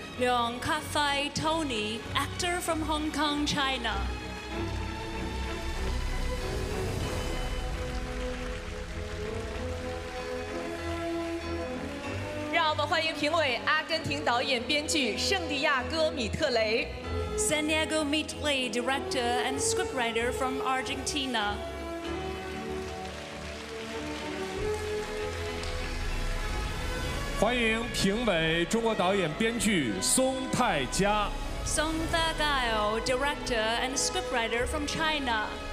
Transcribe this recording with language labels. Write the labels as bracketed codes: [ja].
[en] Leong Ka-Fai Tony, actor from Hong Kong, China. [zh] 让我们欢迎评委阿根廷导演编剧圣地亚哥·米特雷 [en] San Diego Mitley, director and scriptwriter from Argentina. [zh] 欢迎评委中国导演编剧松泰佳 [en] Song Tha Gao, director and scriptwriter from China.